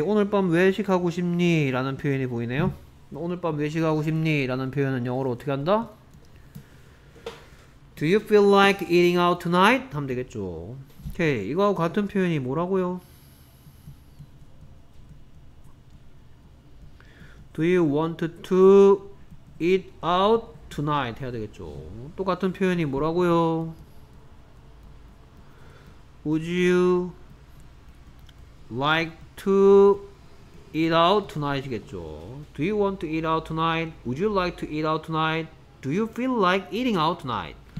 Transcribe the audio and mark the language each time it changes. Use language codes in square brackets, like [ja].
[ko] 오늘 밤 외식하고 싶니? 라는 표현이 보이네요. 오늘 밤 외식하고 싶니? 라는 표현은 영어로 어떻게 한다? [en] Do you feel like eating out tonight? [ko] 하면 되겠죠. 오케이. 이거하고 같은 표현이 뭐라고요? [en] Do you want to eat out tonight [ko] 해야 되겠죠. 똑같은 표현이 뭐라고요? [en] Would you like to eat out tonight이겠죠. Do you want to eat out tonight? Would you like to eat out tonight? Do you feel like eating out tonight?